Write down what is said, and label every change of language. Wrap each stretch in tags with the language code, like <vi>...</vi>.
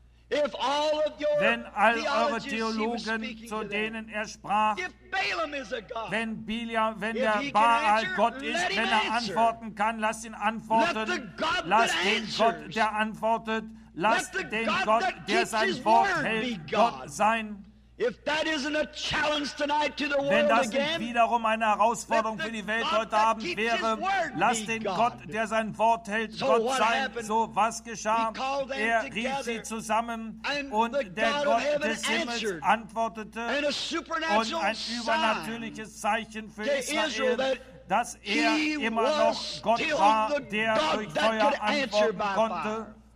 <de>Wenn all eure Theologen, zu denen er sprach, wenn der Baal Gott ist, wenn er antworten kann, lass ihn antworten. Lass den Gott, der antwortet, lass den Gott, der sein Wort hält, Gott sein.</de> <en>If that isn't a challenge tonight to the world,</en> <de>wenn das nicht wiederum eine Herausforderung für die Welt heute Abend wäre, lass den Gott, der sein Wort hält, Gott sein. So, was geschah? Er rief sie zusammen und der Gott des Himmels antwortete und ein übernatürliches Zeichen für Israel, dass er immer noch Gott war, der durch Feuer antworten konnte.</de>